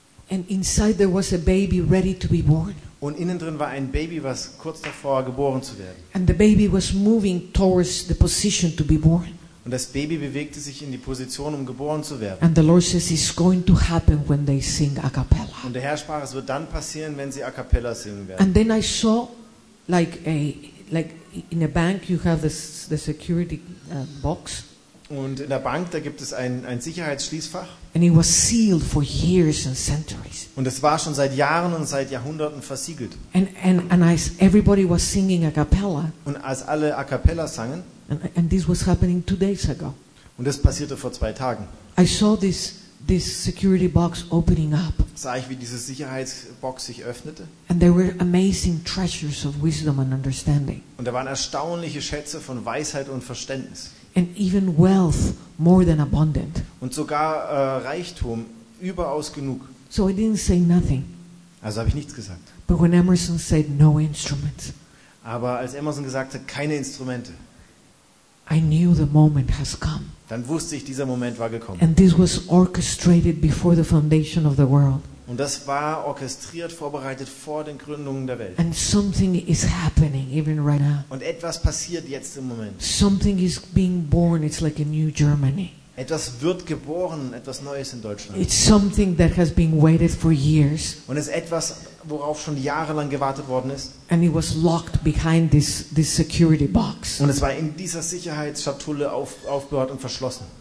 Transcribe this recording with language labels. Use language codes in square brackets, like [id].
[en] And inside there was a baby ready to be born. [de] Und innen drin war ein Baby, was kurz davor geboren zu werden. [en] And the baby was moving towards the position to be born. [de] Und das Baby bewegte sich in die Position, um geboren zu werden. [en] And the Lord says it's going to happen when they sing a cappella. [de] Und der Herr sprach, es wird dann passieren, wenn sie a cappella singen werden. [en] And then I saw like in a bank you have the security box. [de] Und in der Bank, da gibt es ein Sicherheitsschließfach. [en] And it was sealed for years and centuries. [de] Und es war schon seit Jahren und seit Jahrhunderten versiegelt. [en] And as everybody was singing a cappella. [de] Und als alle a cappella sangen. [en] And this was happening 2 days ago. [de] Und das passierte vor 2 Tagen. [en] I saw this security box opening up. [de] Sah ich, wie diese Sicherheitsbox sich öffnete. [en] And there were amazing treasures of wisdom and understanding. [de] Und da waren erstaunliche Schätze von Weisheit und Verständnis. [en] And even wealth more than abundant. [de] Und sogar Reichtum überaus genug. [en] So I didn't say nothing. [de] Also habe ich nichts gesagt. [en] But when Emerson said no instruments. [de] Aber als Emerson gesagt hat, keine Instrumente. [en] I knew the moment has come. [de] Dann wusste ich, dieser Moment war gekommen. [en] And this was orchestrated before the foundation of the world. [de] Und das war orchestriert, vorbereitet vor den Gründungen der Welt. [en] And something is happening even right now. [de] Und etwas passiert jetzt im Moment. [en] Something is being born. It's like a new Germany. [de] Etwas wird geboren, etwas Neues in Deutschland. [en] It's something that has been waited for years. [de] Und es ist etwas, worauf schon jahrelang gewartet worden ist. [en] And it was locked behind this security box. [de] Und es war in dieser Sicherheitsschatulle aufgebaut und verschlossen.